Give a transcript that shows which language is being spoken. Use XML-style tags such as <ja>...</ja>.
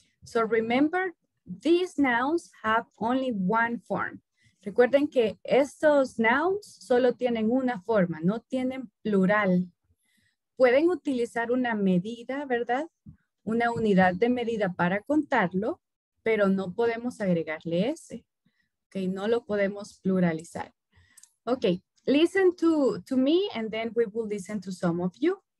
<en>So remember, these nouns have only one form.</en> <es>Recuerden que estos nouns solo tienen una forma, no tienen plural. Pueden utilizar una medida, ¿verdad? Una unidad de medida para contarlo, pero no podemos agregarle ese. Okay, no lo podemos pluralizar.</es> <en>Okay, listen to me and then we will listen to some of you.</en>